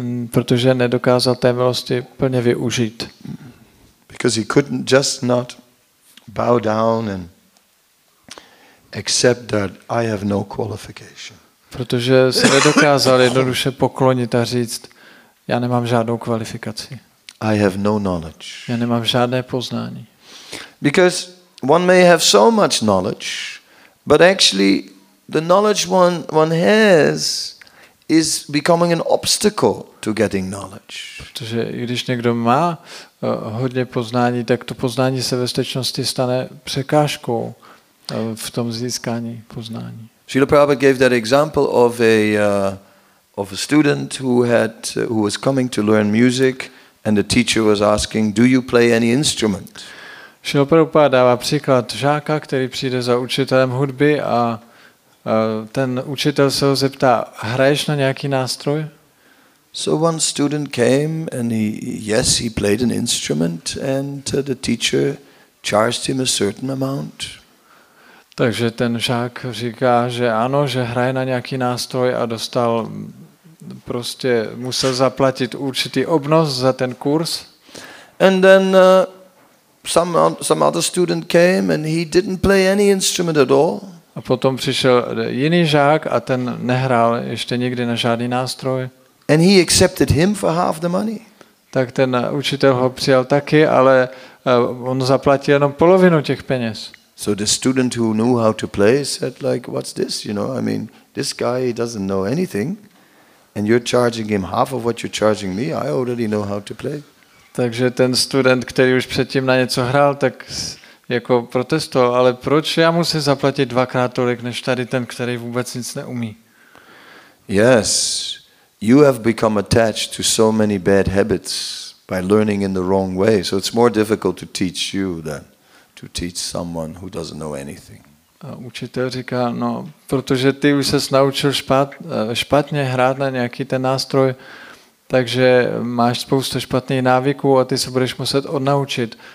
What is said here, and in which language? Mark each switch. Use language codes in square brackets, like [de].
[cs] Protože nedokázal té milosti plně využít. [en] Because he couldn't just not bow down and accept that I have no qualification. [cs] Protože se nedokázal jednoduše poklonit a říct, já nemám žádnou kvalifikaci. [en] I have no knowledge. [cs] Já nemám žádné poznání. [en] Because one may have so much knowledge, but actually the knowledge one has is becoming an obstacle to getting knowledge. [cs] Protože když někdo má hodně poznání, tak to poznání se ve skutečnosti stane překážkou v tom získání poznání. [en] Srila Prabhupada gave that example of a student who was coming to learn music, and the teacher was asking, do you play any instrument? [cs] Srila Prabhupada dává příklad žáka, který přijde za učitelem hudby a ten učitel se ho zeptá, hraješ na nějaký nástroj? [en] So one student came and he played an instrument and the teacher charged him a certain amount. [cs] Takže ten žák říká, že ano, že hraje na nějaký nástroj a dostal prostě musel zaplatit určitý obnos za ten kurz. [en] And then some other student came and he didn't play any instrument at all. [cs] A potom přišel jiný žák a ten nehrál ještě nikdy na žádný nástroj. [en] And he accepted him for half the money. [cs] Tak ten učitel ho přijal taky, ale on zaplatil jenom polovinu těch peněz. [en] So the student who knew how to play said like, what's this, you know? I mean, this guy doesn't know anything and you're charging him half of what you're charging me. I already know how to play. [cs] Takže ten student, který už předtím na něco hrál, tak jako protestoval, ale proč já musím zaplatit dvakrát tolik, než tady ten, který vůbec nic neumí? [en] Yes, you have become attached to so many bad habits by learning in the wrong way, so it's more difficult to teach you than to teach someone who doesn't know anything. [cs] A učitel říká, no, protože ty už ses naučil špatně hrát na nějaký ten nástroj, takže máš spoustu špatných návyků a ty se budeš muset odnaučit.